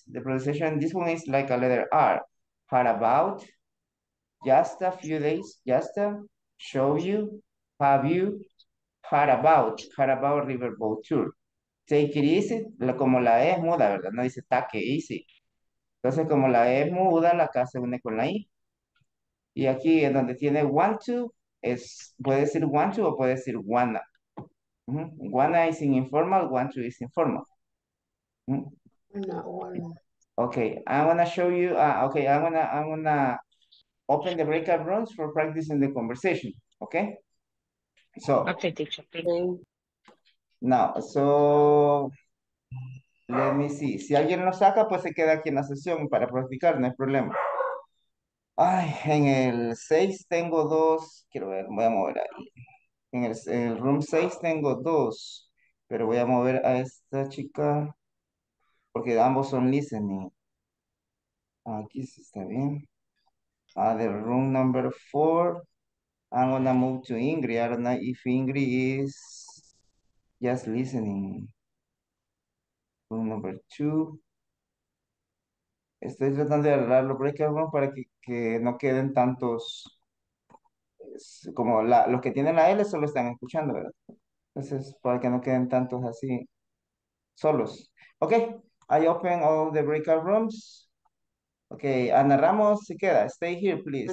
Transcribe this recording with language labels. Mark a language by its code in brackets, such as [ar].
[en] The pronunciation in this one is like a letter R. Heard about, just a few days, just a, show you, have you, heard about riverboat tour. Take it easy, [es] como la E es muda, ¿verdad? No dice take easy. Entonces, como la E es muda, la K se une con la I. Y aquí en donde tiene want to, es, puede decir want to o puede decir wanna. [en] Mm-hmm. Wanna is informal, want to is informal. Mm-hmm. Okay, I'm gonna show you, okay, I'm gonna open the breakout rooms for practicing the conversation, okay? So, okay, teacher. Now, so, let me see. [es] Si alguien lo saca, pues se queda aquí en la sesión para practicar, no hay problema. Ay, en el 6 tengo dos, quiero ver, voy a mover ahí. En el room 6 tengo dos, pero voy a mover a esta chica, porque ambos son listening. Aquí sí está bien. [en] The room number 4, I'm gonna move to Ingrid. I don't know if Ingrid is just listening. Room number 2. [es] Estoy tratando de agarrar los breakout rooms para que no queden tantos. Como la, los que tienen la L solo están escuchando, ¿verdad? Entonces, para que no queden tantos así, solos. [en] Ok, I open all the breakout rooms. Ok, Ana Ramos, [es] se queda. [en] Stay here, please.